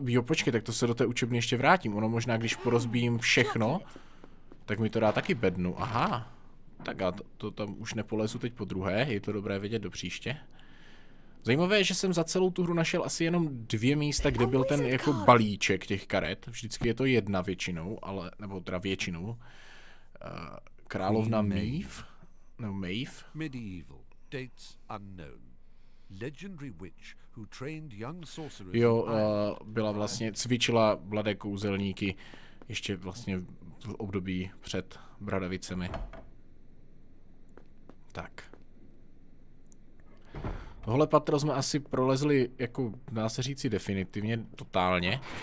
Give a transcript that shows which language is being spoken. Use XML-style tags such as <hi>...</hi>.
<cs>Jo, počkej, tak to se do té učebny ještě vrátím. Ono možná, když porozbíjím všechno, tak mi to dá taky bednu, aha. Tak a to tam už nepolezu teď po druhé, je to dobré vědět do příště. Zajímavé je, že jsem za celou tu hru našel asi jenom dvě místa, kde byl ten jako balíček těch karet. Vždycky je to jedna většinou, ale, nebo teda většinou. Královna Maeve? No, Maeve?</cs> <en>Medieval, dates unknown. Legendary witch who trained young sorcerers.</en> <cs>Jo, byla vlastně, cvičila mladé kouzelníky ještě vlastně v období před bradavicemi. Tak. Tohle patro jsme asi prolezli, jako dá se říci, definitivně, totálně.</cs>